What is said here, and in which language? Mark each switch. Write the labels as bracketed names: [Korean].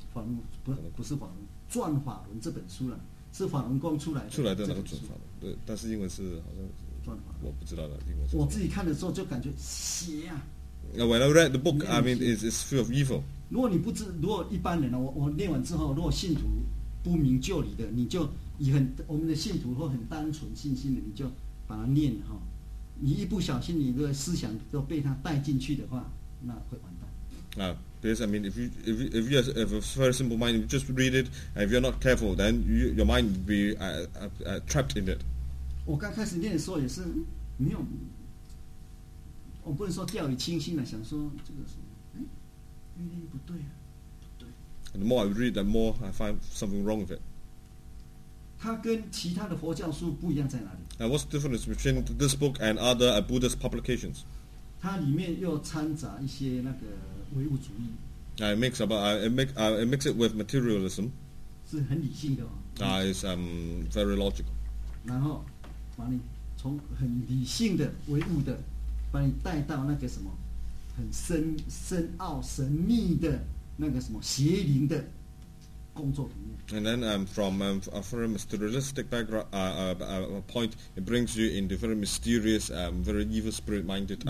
[Chinese] 法轮不是法轮，《壮法轮》这本书了。是法轮功出来的那个转法轮，对，但是英文是好像转法轮，我不知道的英文是。我自己看的时候就感觉邪啊。 [English] 那 when I read the book, I mean it's full of evil. [Chinese] 如果你不知，如果一般人呢，我念完之后，如果信徒不明就理的，你就以很我们的信徒或很单纯信心的，你就把它念哈、哦。你一不小心，你的思想都被它带进去的话，那会完蛋。 [English] Because I mean, if you have a very simple mind, you just read it, and if you're not careful, then your mind will be trapped in it. [Chinese] 我刚开始念的时候也是没有，我不能说掉以轻心了，想说这个什么，哎，不对啊，不对。 [English] And the more I read, the more I find something wrong with it. [Chinese] 它跟其他的佛教书不一样在哪里？ [English] And what's the difference between this book and other Buddhist publications? [Chinese] 它里面又掺杂一些那个。唯物主义。 [English] It makes it with materialism. [Chinese] 是很理性的哦。 [English] It's very logical. [Chinese] 然后把你从很理性的唯物的，把你带到那个什么很深奥神秘的那个什么邪灵的工作里面。 [English] And then from a materialistic background point, it brings you into very mysterious very evil spirit minded.